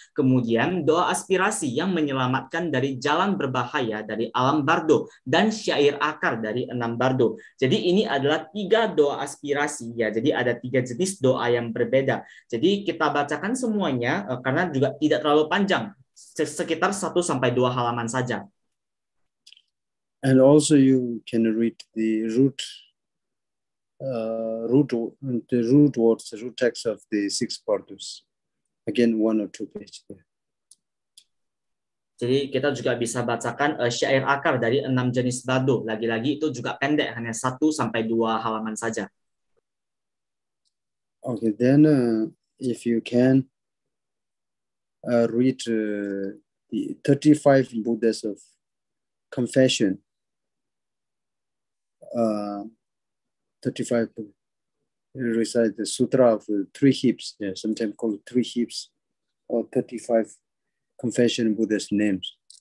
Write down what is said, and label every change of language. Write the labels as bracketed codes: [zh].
[id] Kemudian doa aspirasi yang menyelamatkan dari jalan berbahaya dari alam bardo dan syair akar dari enam bardo. Jadi ini adalah tiga doa aspirasi ya. Jadi ada tiga jenis doa yang berbeda. Jadi kita bacakan semuanya karena juga tidak terlalu panjang, sekitar 1-2 halaman saja. [en] And also you can read the root text of the six bardos. Again, one or two pages there. [id] Jadi kita juga bisa bacakan syair akar dari enam jenis bardo. Lagi-lagi itu juga pendek, hanya 1-2 halaman saja. [en] Okay, then if you can read the 35 Buddhas of Confession, 35 recite the Sutra of Three Heaps, yeah, sometimes called Three Heaps, or 35 Confession Buddha's names.